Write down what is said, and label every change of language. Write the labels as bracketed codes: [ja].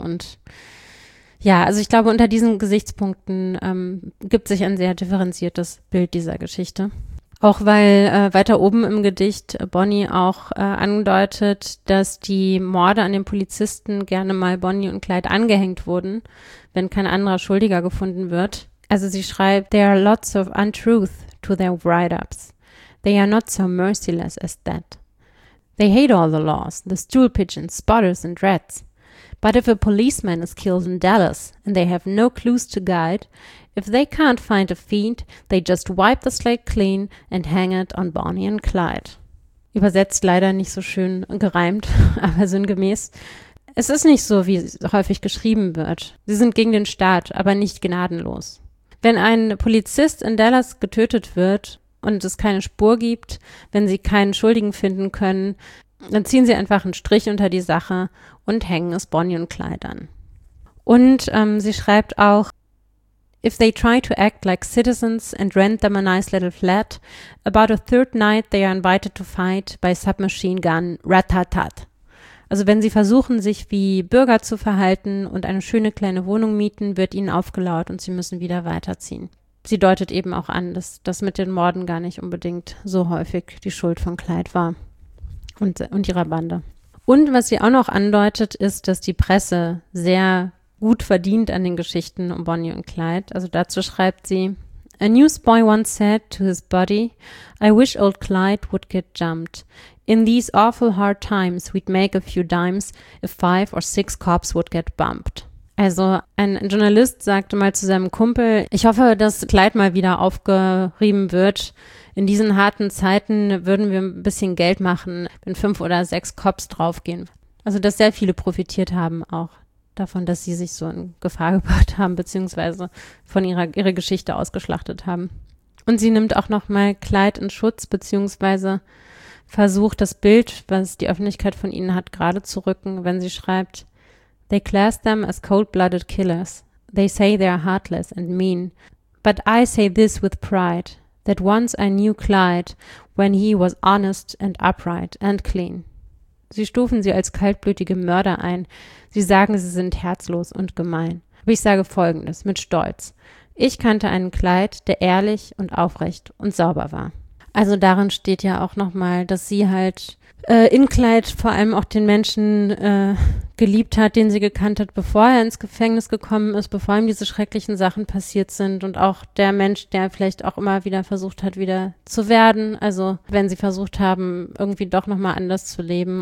[de] Und ja, also ich glaube, unter diesen Gesichtspunkten gibt sich ein sehr differenziertes Bild dieser Geschichte. Auch weil weiter oben im Gedicht Bonnie auch andeutet, dass die Morde an den Polizisten gerne mal Bonnie und Clyde angehängt wurden, wenn kein anderer Schuldiger gefunden wird. Also sie schreibt, [en] there are lots of untruth to their write-ups. They are not so merciless as that. They hate all the laws, the stool pigeons, spotters and rats. But if a policeman is killed in Dallas and they have no clues to guide, if they can't find a fiend, they just wipe the slate clean and hang it on Bonnie and Clyde. [de] Übersetzt leider nicht so schön gereimt, aber sinngemäß. Es ist nicht so, wie häufig geschrieben wird. Sie sind gegen den Staat, aber nicht gnadenlos. Wenn ein Polizist in Dallas getötet wird und es keine Spur gibt, wenn sie keinen Schuldigen finden können, dann ziehen sie einfach einen Strich unter die Sache und hängen es Bonnie und Clyde an. Und sie schreibt auch, [en] if they try to act like citizens and rent them a nice little flat, about a third night they are invited to fight by submachine gun ratatat. [de] Also wenn sie versuchen, sich wie Bürger zu verhalten und eine schöne kleine Wohnung mieten, wird ihnen aufgelauert und sie müssen wieder weiterziehen. Sie deutet eben auch an, dass das mit den Morden gar nicht unbedingt so häufig die Schuld von Clyde war und ihrer Bande. Und was sie auch noch andeutet, ist, dass die Presse sehr gut verdient an den Geschichten um Bonnie und Clyde. Also dazu schreibt sie, [en] a newsboy once said to his buddy, I wish old Clyde would get jumped. In these awful hard times we'd make a few dimes if five or six cops would get bumped. [de] Also ein Journalist sagte mal zu seinem Kumpel, ich hoffe, dass Clyde mal wieder aufgerieben wird. in diesen harten Zeiten würden wir ein bisschen Geld machen, wenn 5 oder 6 Cops draufgehen. Also dass sehr viele profitiert haben auch davon, dass sie sich so in Gefahr gebracht haben, beziehungsweise von ihrer Geschichte ausgeschlachtet haben. Und sie nimmt auch nochmal Clyde in Schutz, beziehungsweise versucht, das Bild, was die Öffentlichkeit von ihnen hat, gerade zu rücken, wenn sie schreibt: [en] "They class them as cold-blooded killers. They say they are heartless and mean. But I say this with pride, that once I knew Clyde, when he was honest and upright and clean." [de] Sie stufen sie als kaltblütige Mörder ein. Sie sagen, sie sind herzlos und gemein. Aber ich sage Folgendes mit Stolz: Ich kannte einen Clyde, der ehrlich und aufrecht und sauber war. Also darin steht ja auch nochmal, dass sie halt in Clyde vor allem auch den Menschen geliebt hat, den sie gekannt hat, bevor er ins Gefängnis gekommen ist, bevor ihm diese schrecklichen Sachen passiert sind, und auch der Mensch, der vielleicht auch immer wieder versucht hat, wieder zu werden, also wenn sie versucht haben, irgendwie doch nochmal anders zu leben.